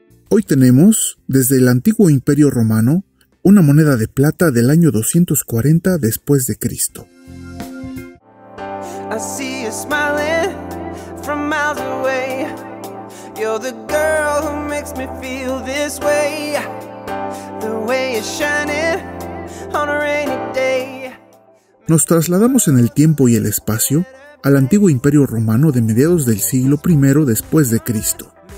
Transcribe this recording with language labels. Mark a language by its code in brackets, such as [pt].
[es] Hoy tenemos, desde el antiguo Imperio Romano, una moneda de plata del año 240 después de Cristo. [en] I see you smiling from miles away. You're the girl who makes me feel this way. The way you're shining on a rainy day. [es] Nos trasladamos en el tiempo y el espacio al antiguo Imperio Romano de mediados del siglo I después de Cristo.